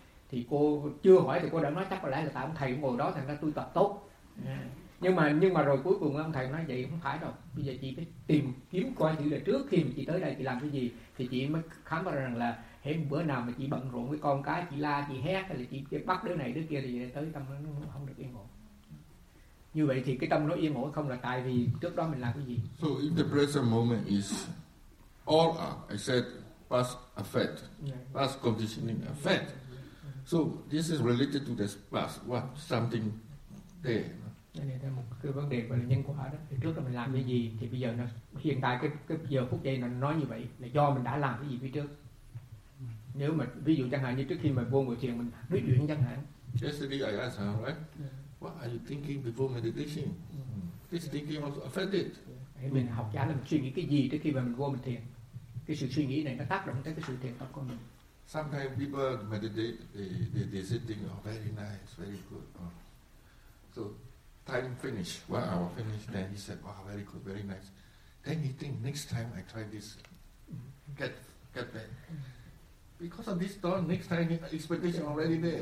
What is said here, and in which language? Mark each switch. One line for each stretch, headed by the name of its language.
Vietnamese: thì cô chưa hỏi thì cô đã nói chắc có lẽ là tại ông thầy ngồi đó thành ra tôi tập tốt nhưng mà rồi cuối cùng ông thầy nói vậy không phải đâu bây giờ chị phải tìm kiếm coi thử là trước khi mà chị tới đây chị làm cái gì thì chị mới khám ra rằng là hễ bữa nào mà chị bận rộn với con cái chị la chị hét hay là chị bắt đứa này đứa kia thì tới tâm nó không được yên ổn như vậy thì cái tâm nó yên ổn không là tại vì trước đó mình làm cái gì.
English: So if the present moment is all I said past affect past conditioning affect, so this is related to the past what something there.
Vietnamese: Đây là một cái vấn đề về nhân quả đó. Thì trước là mình làm cái gì thì bây giờ nó hiện tại cái giờ phút giây nó nói như vậy là do mình đã làm cái gì phía trước. Nếu mà ví dụ chẳng hạn như trước khi mà vô ngồi thiền mình nói chuyện chẳng hạn.
English: Yesterday I asked her, right? Yeah. What are you thinking before meditation? Yeah. This thinking also affected. Yeah.
Vietnamese: Mình học giả là mình suy nghĩ cái gì trước khi mà mình vô mình thiền. Cái sự suy nghĩ này nó tác động tới cái sự thiền tập của mình.
English: Sometimes people meditate, they sitting are very nice, very good. So time finish, 1 hour finish, then he said, wow, very good, very nice. Then he think next time I try this, get back. Because of this thought, next time expectation already there.